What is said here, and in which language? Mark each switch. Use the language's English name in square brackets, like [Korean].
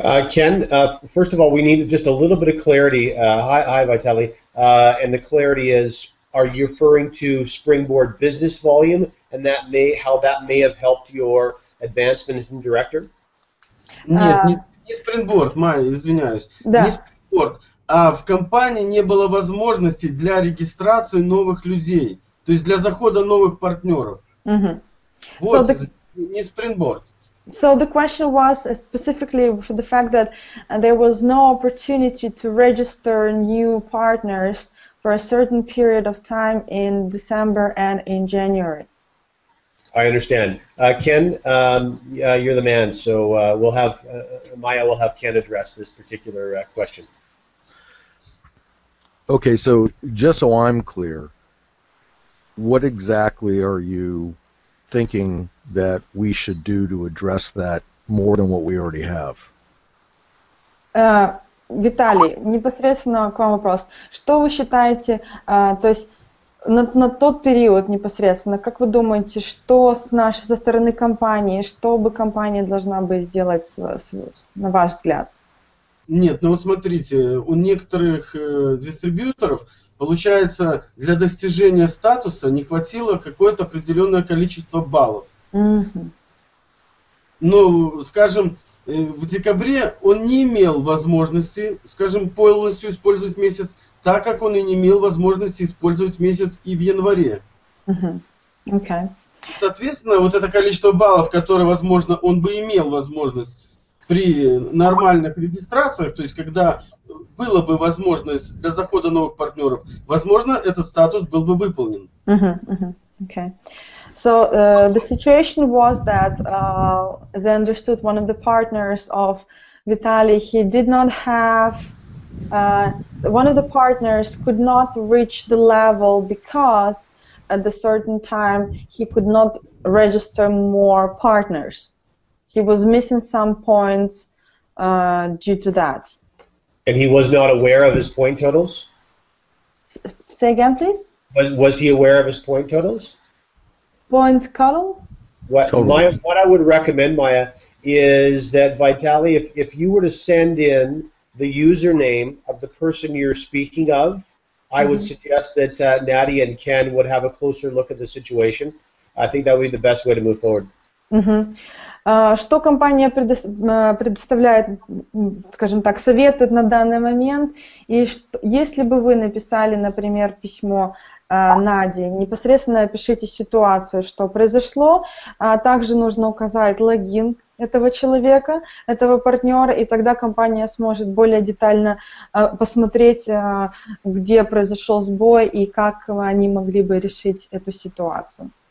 [English] Ken, first of all, we need just a little bit of clarity. Hi, Vitaly. And the clarity is, are you referring to Springboard business volume and how that may have helped your advancement as director? [Russian] Нет, не Springboard, Майя, извиняюсь. Да. Не Springboard, а в компании не было возможности для регистрации новых людей, то есть для захода новых партнеров. Mm-hmm. Вот, не Springboard. [English] So the question was specifically for the fact that there was no opportunity to register new partners for a certain period of time in December and in January. I understand. Ken, you're the man, so we'll have Maya will have Ken address this particular question. Okay, so just so I'm clear, what exactly are you thinking that we should do to address that more than what we already have? [Russian] Виталий, непосредственно к вам вопрос. Что вы считаете, то есть на тот период непосредственно, как вы думаете, что со стороны компании, что бы компания должна бы сделать, на ваш взгляд? Нет, ну вот смотрите, у некоторых дистрибьюторов получается, для достижения статуса не хватило какое-то определенное количество баллов. Mm-hmm. Ну, скажем, в декабре он не имел возможности, скажем, полностью использовать месяц, так как он и не имел возможности использовать месяц и в январе. [English] Mm-hmm. Okay. [Russian] Соответственно, вот это количество баллов, которые, возможно, он бы имел возможность при нормальных регистрациях, то есть когда была бы возможность для захода новых партнеров, возможно, этот статус был бы выполнен. [English] So the situation was that, as I understood, one of the partners of Vitaly, he did not have, one of the partners could not reach the level because at a certain time he could not register more partners. He was missing some points due to that. And he was not aware of his point totals? Say again, please? Was he aware of his point totals? Point total? What I would recommend, Maya, is that Vitaly, if you were to send in the username of the person you're speaking of, mm-hmm. I would suggest that Natty and Ken would have a closer look at the situation. I think that would be the best way to move forward. Mm-hmm. [Russian] Что компания предоставляет, скажем так, советует на данный момент? И что, если бы вы написали, например, письмо Наде, непосредственно опишите ситуацию, что произошло. Также нужно указать логин этого человека, этого партнера, и тогда компания сможет более детально посмотреть, где произошел сбой и как они могли бы решить эту ситуацию.